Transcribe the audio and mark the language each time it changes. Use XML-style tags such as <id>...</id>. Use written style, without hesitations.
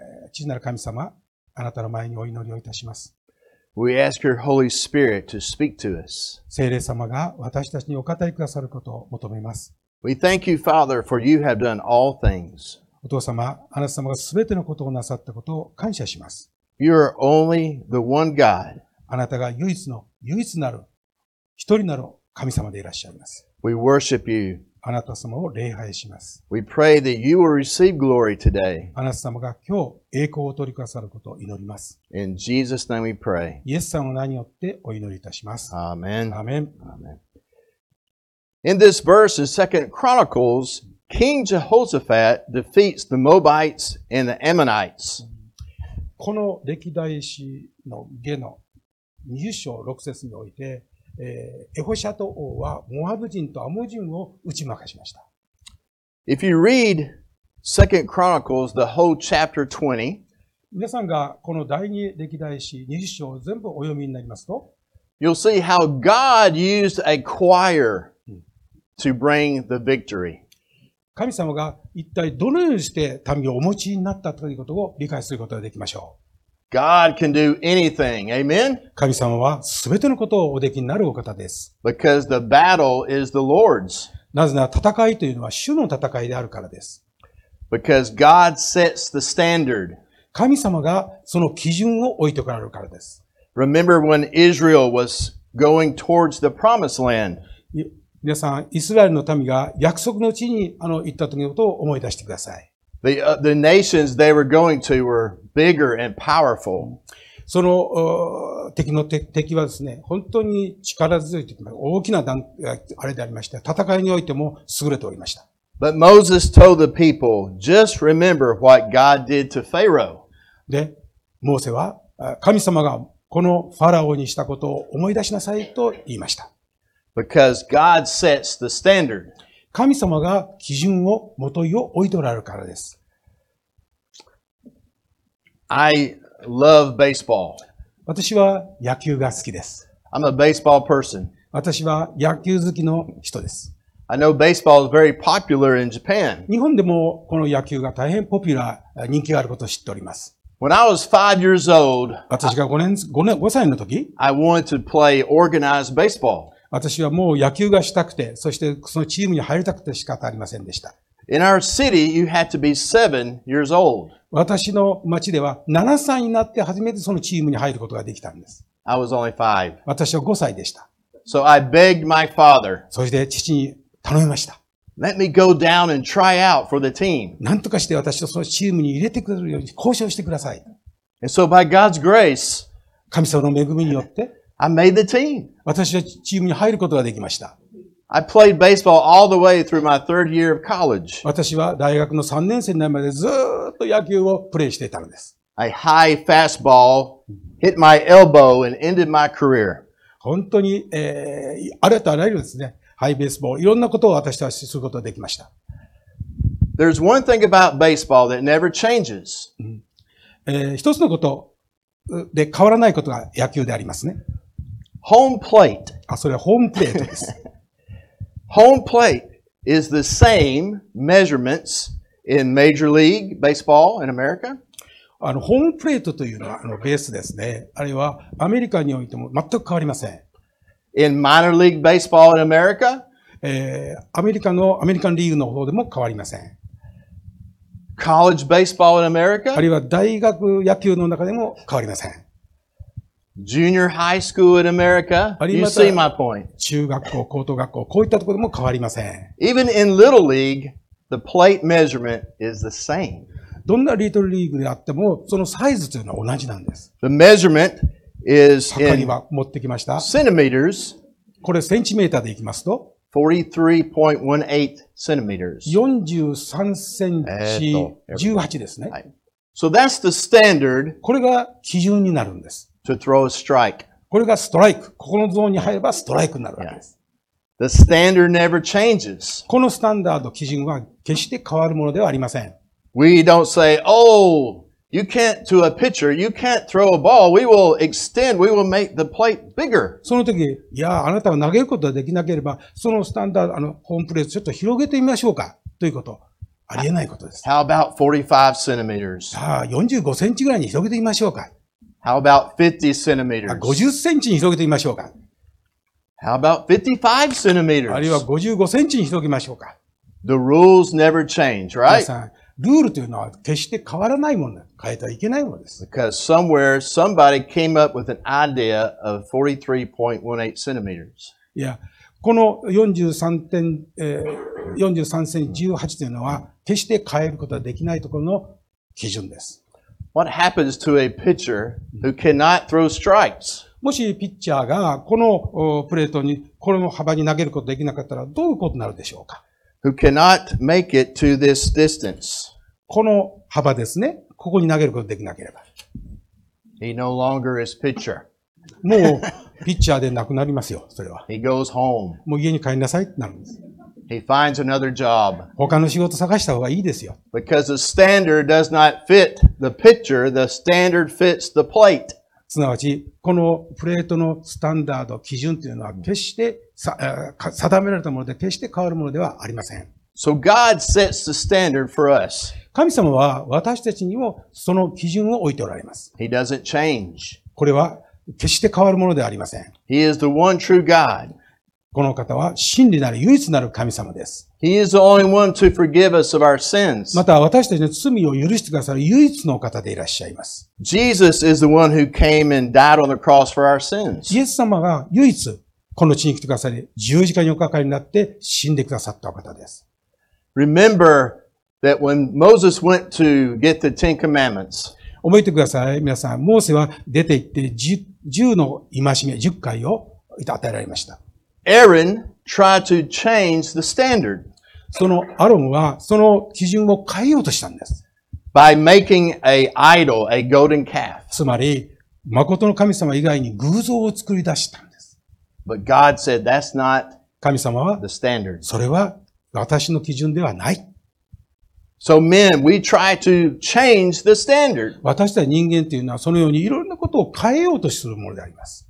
<ja>父なる神様、あなたの前にお祈りをいたします。</ja> <en>We ask your Holy Spirit to speak to us.</en> <ja>聖霊様が私たちにお語りくださることを求めます。</ja> <en>We thank you, Father, for you have done all things.</en> <ja>お父様、あなた様がすべてのことをなさったことを感謝します。</ja> <en>You are only the one God.</en> <ja>あなたが唯一の、唯一なる、一人なる神様でいらっしゃいます。</ja> <en>We worship you.</en> <ja>あなた様を礼拝します。</ja> <en>We pray that you will receive glory today.</en> <ja>あなた様が今日栄光を取り下さることを祈ります。</ja> <en>In Jesus' name we pray.</en> <ja>イエス様の名によってお祈りいたします。</ja> <en>Amen. Amen. Amen. In this verse in 2 Chronicles, King Jehoshaphat defeats the Moabites and the Ammonites.</en> <ja>この歴代史の下の20章6節において、エホシャト王はモアブ人とアモン人を打ち負かしました。</ja> <en>If you read 2 Chronicles, the whole chapter 20,</en> <ja>皆さんがこの第二歴代史20章を全部お読みになりますと、</ja> <en>You'll see how God used a choir to bring the victory.</en> <ja>神様が一体どのようにして民をお持ちになったということを理解することができましょう。</ja> <en>God can do anything. Amen?</en> <ja>神様は全てのことをおできになるお方です。</ja> <en>Because the battle is the Lord's.</en> <ja>なぜなら戦いというのは主の戦いであるからです。</ja> <en>Because God sets the standard.</en> <ja>神様がその基準を置いておられるからです。</ja> <en>Remember when Israel was going towards the promised land.</en> <ja>皆さん、イスラエルの民が約束の地に行った時のことを思い出してください。</ja> <en>The nations they were going to were bigger and powerful.</en> <ja>その敵の 敵はですね、本当に力強い敵、大きなあれでありまして、戦いにおいても優れておりました。</ja> <en>But Moses told the people, just remember what God did to Pharaoh.</en> <ja>で、モーセは神様がこのファラオにしたことを思い出しなさいと言いました。</ja> <en>Because God sets the standard.</en> <ja>神様が基準を、もといを置いておられるからです。</ja> <en>I love baseball.</en> <ja>私は野球が好きです。</ja> <en>I'm a baseball person.</en> <ja>私は野球好きの人です。</ja> <en>I know baseball is very popular in Japan.</en> <ja>日本でもこの野球が大変ポピュラー、人気があることを知っております。</ja> <en>When I was 5 years old,</en> <ja>私が5歳の時、</ja> <en>I wanted to play organized baseball.</en> <ja>私はもう野球がしたくて、そしてそのチームに入りたくて仕方ありませんでした。</ja> <en>In our city, you had to be 7 years old.</en> <ja>私の町では7歳になって初めてそのチームに入ることができたんです。</ja> <en>I was only 5.</en> <ja>私は5歳でした。</ja> <en>So I begged my father.</en> <ja>そして父に頼みました。</ja> <en>Let me go down and try out for the team.</en> <ja>なんとかして私をそのチームに入れてくれるように交渉してください。</ja> <en>And so by God's grace,</en> <ja>神様の恵みによって、</ja> <en>I made the team.</en> <ja>私はチームに入ることができました。</ja> <en>I played baseball all the way through my third year of college.</en> <ja>私は大学の3年生になるまでずっと野球をプレイしていたのです。</ja> <en>A high fastball hit my elbow and ended my career.</en> <ja>本当に、ありとあらゆるですね、ハイベースボール、いろんなことを私たちすることができました。</ja> <en>There's one thing about baseball that never changes.</en> <ja>一つのことで変わらないことが野球でありますね。</ja> <en>Home plate.</en> <ja>あ、それはホームプレートです。</ja> <en>Home plate is the same measurements in Major League Baseball in America.</en> <ja>ホームプレートというのはベースですね。あるいはアメリカにおいても全く変わりません。</ja> <en>In Minor League Baseball in America,</en> <ja>アメリカンリーグの方でも変わりません。</ja> <en>College Baseball in America,</en> <ja>あるいは大学野球の中でも変わりません。</ja> <en>Junior high school in America, you see my point.</en> <ja>中学校、高等学校、こういったところでも変わりません。</ja> <en>Even in little league, the plate measurement is the same.</en> <ja>どんなリトルリーグであっても、そのサイズというのは同じなんです。</ja> <en>The measurement is</en> <ja>in 測りは持ってきました。</ja> <en>Centimeters.</en> <ja>これセンチメーターでいきますと、</ja> <en>43.18 centimeters.</en> <ja>43センチ18ですね。</ja> <en>So that's the standard.</en> <ja>これが基準になるんです。</ja> <en>To throw a strike.</en> <ja>これがストライク。ここのゾーンに入ればストライクになるわけです。</ja> <en>Yeah. The standard never changes.</en> <ja>このスタンダード基準は決して変わるものではありません。</ja> <en>We don't say, oh, you can't to a pitcher, you can't throw a ball. We will extend, we will make the plate bigger.</en> <ja>その時、いや、あなたは投げることができなければ、そのスタンダード、ホームプレートちょっと広げてみましょうか。ということ。ありえないことです。</ja> <en>How about 45 centimeters?</en> <ja>さあ、45センチぐらいに広げてみましょうか。</ja> <en>How about 50 centimeters?</en> <ja>50センチに広げてみましょうか。</ja> <en>How about 55 centimeters?</en> <ja>あるいは55センチに広げましょうか。</ja> <en>The rules never change, right?</en> <ja>皆さん、ルールというのは決して変わらないもの、変えてはいけないものです。</ja> <en>Because somewhere somebody came up with an idea of 43.18 centimeters.</en> <ja>いや、この43節18というのは決して変えることはできないところの基準です。</ja> <en>What happens to a pitcher who cannot throw strikes?</en> <ja>もしピッチャーがこのプレートにこの幅に投げることができなかったらどういうことになるでしょうか?</ja> <en>Who cannot make it to this distance?</en> <ja>この幅ですね。ここに投げることができなければ。</ja> <en>He no longer is pitcher.</en> <ja>もうピッチャーでなくなりますよ、それは。</ja> <en>He goes home.</en> <ja>もう家に帰りなさいってなるんです。</ja> <en>He finds another job.</en> <ja>他の仕事探した方がいいですよ。</ja> <en>Because the standard does not fit the pitcher, the standard fits the plate.</en> <ja>すなわち、このプレートのスタンダード、基準というのは決して定められたもので、決して変わるものではありません。</ja> <en>So God sets the standard for us.</en> <ja>神様は私たちにもその基準を置いておられます。</ja> <en>He doesn't change.</en> <ja>これは決して変わるものではありません。</ja> <en>He is the one true God.</en> <ja>この方は真理なる唯一なる神様です。</ja> <en>He is the only one to forgive us of our sins.</en> <ja>また私たちの罪を許してくださる唯一の方でいらっしゃいます。</ja> <en>Jesus is the one who came and died on the cross for our sins.</en> <ja>イエス様が唯一この地に来てくださり、十字架におかかりになって死んでくださった方です。</ja> <en>Remember that when Moses went to get the Ten Commandments.</en> <ja>覚えてください、皆さん。モーセは出て行って十の戒め、十回を与えられました。</ja> <en>Aaron tried to change the standard.</en> <ja>そのアロンはその基準を変えようとしたんです。</ja> <en>By making a idol, a golden calf.</en> <ja>つまり、誠の神様以外に偶像を作り出したんです。</ja> <en>But God said that's not the standard.</en> <ja>神様は、それは私の基準ではない。</ja> <en>So men, we try to change the standard.</en> <ja>私たち人間というのはそのようにいろんなことを変えようとするものであります。</ja>